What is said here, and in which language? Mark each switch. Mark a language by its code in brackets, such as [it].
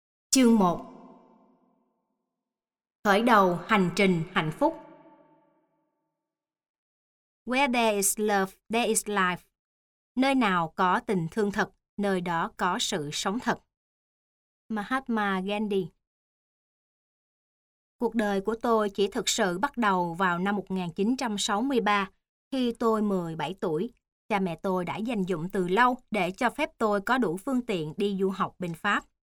[vi] Chương 1 Khởi đầu hành trình hạnh phúc. [en] Where there is love, there is life. [vi] Nơi nào có tình thương thật, nơi đó có sự sống thật. Mahatma Gandhi. Cuộc đời của tôi chỉ thực sự bắt đầu vào năm 1963, khi tôi 17 tuổi. Cha mẹ tôi đã dành dụm từ lâu để cho phép tôi có đủ phương tiện đi du học bên Pháp.